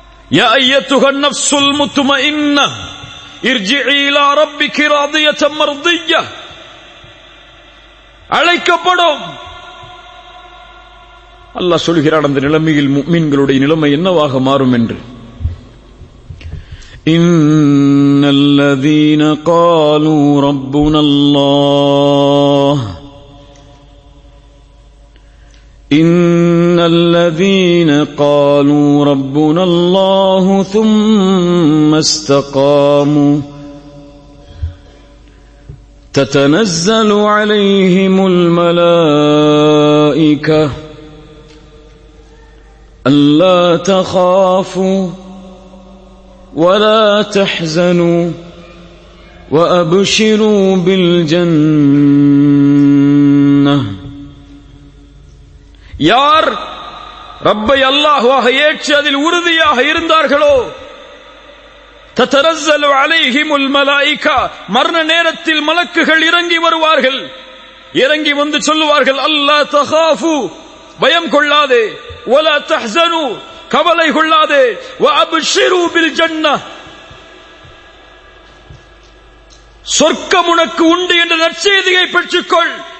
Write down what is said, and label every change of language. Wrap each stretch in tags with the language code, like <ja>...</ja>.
<ar>يا ايتها النفس المطمئنه ارجعي الى ربك راضيه مرضيه.</ar> <ta>அழைக்கப்படும். அல்லாஹ் சொல்கிறான், அந்த நிலைமையில் மூமின்களுடைய நிலைமை என்னவாக மாறும் என்று.</ta> <ar>இன்னல் லதீன காலூ ரப்புனா அல்லாஹ் إِنَّ الَّذِينَ قَالُوا رَبُّنَا اللَّهُ ثُمَّ اسْتَقَامُوا تَتَنَزَّلُ عَلَيْهِمُ الْمَلَائِكَةُ أَلَّا تَخَافُوا وَلَا تَحْزَنُوا وَأَبْشِرُوا بِالْجَنَّةِ.</ar> <ta>யார் ரப்பை அல்லாஹுவாக ஏற்றி அதில் உறுதியாக இருந்தார்களோ,</ta> <ar>தத்தரசலு அலைஹிமுல் மலாயிகா,</ar> <ta>மரண நேரத்தில் மலக்குகள் இறங்கி வருவார்கள். இறங்கி வந்து சொல்லுவார்கள்,</ta> <ar>அல்லா தஹாஃபு,</ar> <ta>பயம் கொள்ளாதே,</ta> <ar>வலா தஹ்சனு,</ar> <ta>கவலை கொள்ளாதே,</ta> <ar>வஅப்ஷிரு பில் ஜன்னா,</ar> <ta>சொர்க்கம் உனக்கு உண்டு என்ற நற்செய்தியை பெற்றுக்கொள்.</ta>